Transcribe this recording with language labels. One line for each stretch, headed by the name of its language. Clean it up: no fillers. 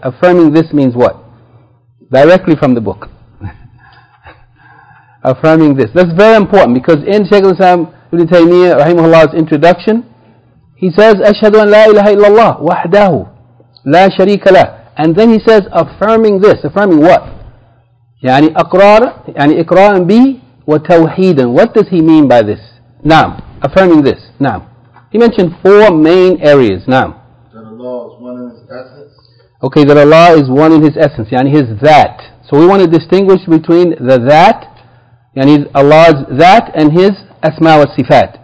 English: Affirming this means what? Directly from the book. Affirming this. That's very important, because in Shaykh al-Islam Ibn Taymiyyah rahimahullah's introduction, he says,
Arabic: أَشْهَدُ أَنْ لَا إِلَهَ إِلَّا اللَّهُ وَحْدَهُ لَا شَرِيكَ لَهُ.
English: And then he says, affirming this. Affirming what?
Arabic: يعني أقرار, يعني إقرارا به وتوحيدا.
English: What does he mean by this?
Arabic: نعم.
English: Affirming this. نعم. He mentioned four main areas.
Arabic: نعم.
English: That Allah is one in His essence. Okay, that Allah is one in His essence. يعني His that. So we want to distinguish between the that, يعني Allah's that, and His asma wa sifat.